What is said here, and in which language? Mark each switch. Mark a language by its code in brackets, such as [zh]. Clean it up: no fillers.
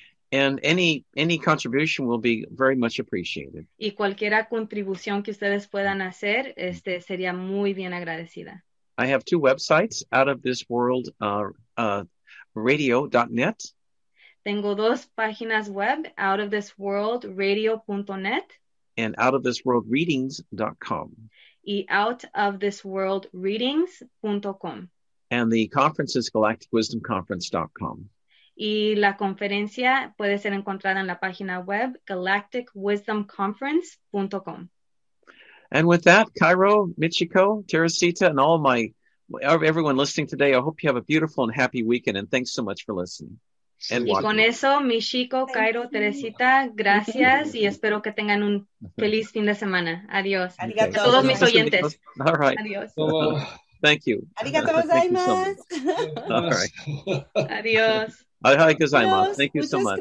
[en] And any contribution will be very much appreciated. [es] Y cualquiera contribución que ustedes puedan hacer, sería muy bien agradecida. [en] I have two websites, outofthisworldradio.net. [es] Tengo dos páginas web, outofthisworldradio.net. [en] And outofthisworldreadings.com. [es] Y outofthisworldreadings.com. [en] And the conference is galacticwisdomconference.com. [es] Y la conferencia puede ser encontrada en la página web galacticwisdomconference.com. [en] And with that, Cairo, Michiko, Teresita, and all my everyone listening today, I hope you have a beautiful and happy weekend. And thanks so much for listening. And [es] y con eso, Michiko, Cairo, Teresita, gracias. Y espero que tengan un feliz fin de semana. Adiós. [en] Okay. [es] A todos mis oyentes. [en] All right. [es] Adiós. [en] Thank you. [ja] Arigato gozaimasu. [en] All right. [es] Adios. [ja] Arigato gozaimasu. [en] Thank you so much.